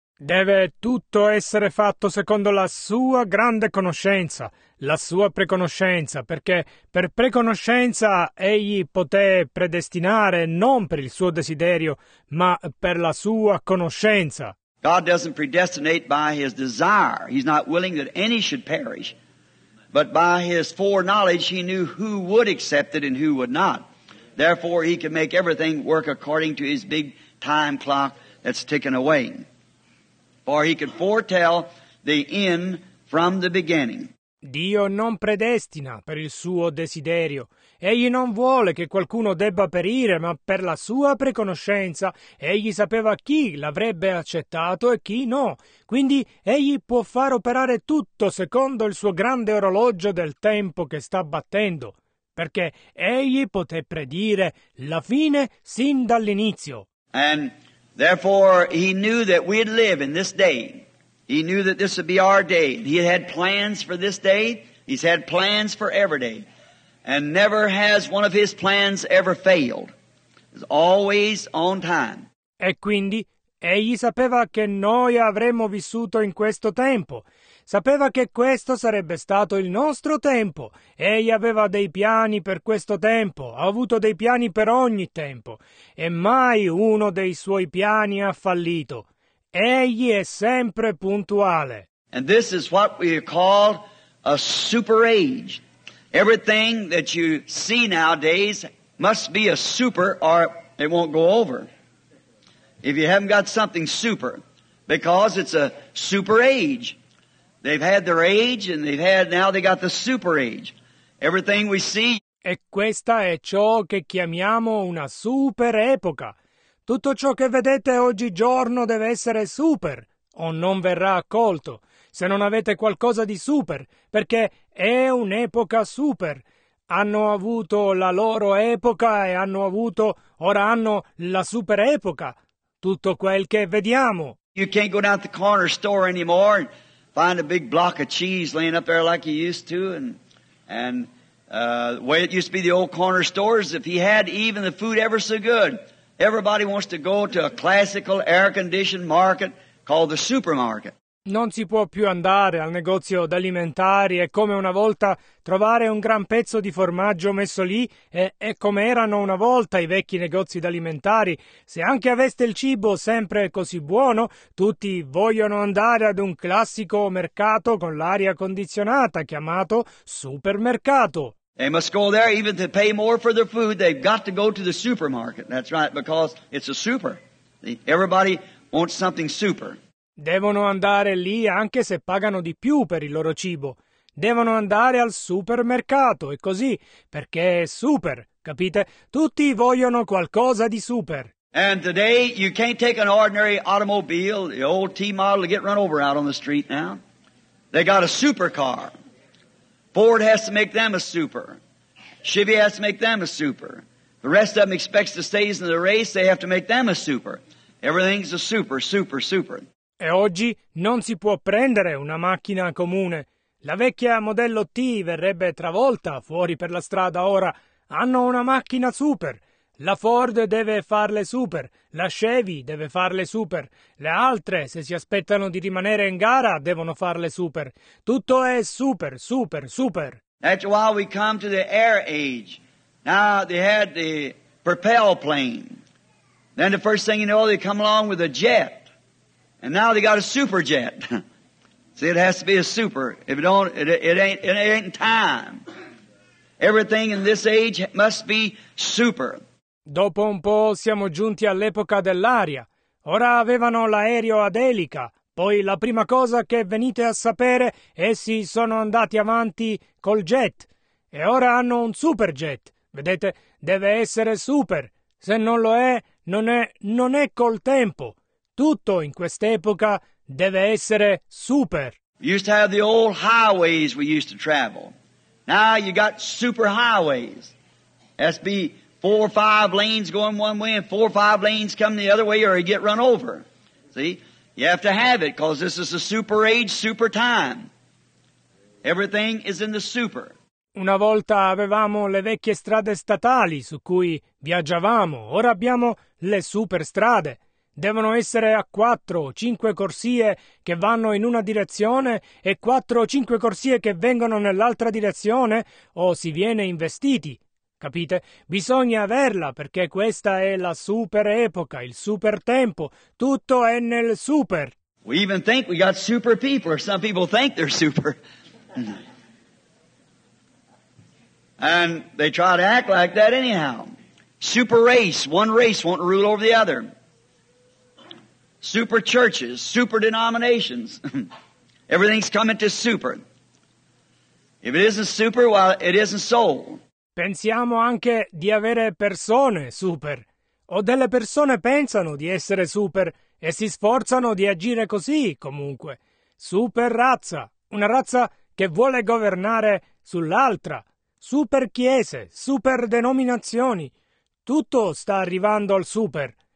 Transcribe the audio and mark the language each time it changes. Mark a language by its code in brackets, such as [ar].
[it] Deve tutto essere fatto secondo la sua grande conoscenza, la sua preconoscenza, perché per preconoscenza egli poté predestinare non per il suo desiderio, ma per la sua conoscenza. [en] God doesn't predestinate by His desire. He's not willing that any should perish. But by His foreknowledge, He knew who would accept it and who would not. Therefore, He can make everything work according to His big time clock that's ticking away. For He could foretell the end from the beginning. [it] Dio non predestina per il suo desiderio. Egli non vuole che qualcuno debba perire, ma per la sua preconoscenza egli sapeva chi l'avrebbe accettato e chi no. Quindi egli può far operare tutto secondo il suo grande orologio del tempo che sta battendo, perché egli poté predire la fine sin dall'inizio. [en] And therefore he knew that we'd live in this day. He knew that this would be our day. He had plans for this day. He's had plans for every day. And never has one of His plans ever failed. It's always on time. [it] E quindi, egli sapeva che noi avremmo vissuto in questo tempo. Sapeva che questo sarebbe stato il nostro tempo. Egli aveva dei piani per questo tempo. Ha avuto dei piani per ogni tempo. E mai uno dei suoi piani ha fallito. Egli è sempre puntuale. [en] And this is what we call a super age. Everything that you see nowadays must be a super or it won't go over. If you haven't got something super, because it's a super age. They've had their age and they've had, now they got the super age. Everything we see. [it] E questa è ciò che chiamiamo una super epoca. Tutto ciò che vedete oggigiorno deve essere super, o non verrà accolto, se non avete qualcosa di super, perché è un'epoca super. Hanno avuto la loro epoca e hanno avuto, ora hanno la super epoca, tutto quel che vediamo. [en] You can't go down to the corner store anymore and find a big block of cheese laying up there like you used to, and the way it used to be the old corner stores, if he had even the food ever so good. Everybody wants to go to a classical air-conditioned market called the supermarket. [it] Non si può più andare al negozio d'alimentari e come una volta trovare un gran pezzo di formaggio messo lì e come erano una volta i vecchi negozi d'alimentari. Se anche aveste il cibo sempre così buono, tutti vogliono andare ad un classico mercato con l'aria condizionata chiamato supermercato. [en] They must go there even to pay more for their food. They've got to go to the supermarket. That's right, because it's a super. Everybody wants something super. [it] Devono andare lì anche se pagano di più per il loro cibo. Devono andare al supermercato, e così, perché è super, capite? Tutti vogliono qualcosa di super. [en] And today you can't take an ordinary automobile, the old T model, to get run over out on the street now. They got a supercar. Ford has to make them a super. Chevy has to make them a super. The rest of them expects to stay in the race. They have to make them a super. Everything's a super, super, super. [it] E oggi non si può prendere una macchina comune. La vecchia modello T verrebbe travolta fuori per la strada ora. Hanno una macchina super. La Ford deve farle super. La Chevy deve farle super. Le altre, se si aspettano di rimanere in gara, devono farle super. Tutto è super, super, super. [en] After a while we come to the air age. Now they had the propel plane. Then the first thing you know, they come along with a jet. And now they got a super jet. See, it has to be a super. If it don't, it ain't time. Everything in this age must be super. [it] Dopo un po' siamo giunti all'epoca dell'aria. Ora avevano l'aereo ad elica. Poi la prima cosa che venite a sapere, essi sono andati avanti col jet. E ora hanno un super jet. Vedete, deve essere super. Se non lo è, non è col tempo. Tutto in quest'epoca deve essere super. [en] We used to have the old highways we used to travel. Now you got super highways. SB. Four or five lanes going one way and four or five lanes come the other way or you get run over. See? You have to have it because this is a super age, super time. Everything is in the super. [it] Una volta avevamo le vecchie strade statali su cui viaggiavamo. Ora abbiamo le super strade. Devono essere a quattro o cinque corsie che vanno in una direzione e quattro o cinque corsie che vengono nell'altra direzione o si viene investiti. Capite? Bisogna averla perché questa è la super epoca, il super tempo. Tutto è nel super. [en] We even think we got super people, or some people think they're super. And they try to act like that anyhow. Super race, one race won't rule over the other. Super churches, super denominations. Everything's coming to super. If it isn't super, well, it isn't soul. [it] Pensiamo anche di avere persone super. O delle persone pensano di essere super e si sforzano di agire così, comunque. Super razza. Una razza che vuole governare sull'altra. Super chiese, super denominazioni. Tutto sta arrivando al super.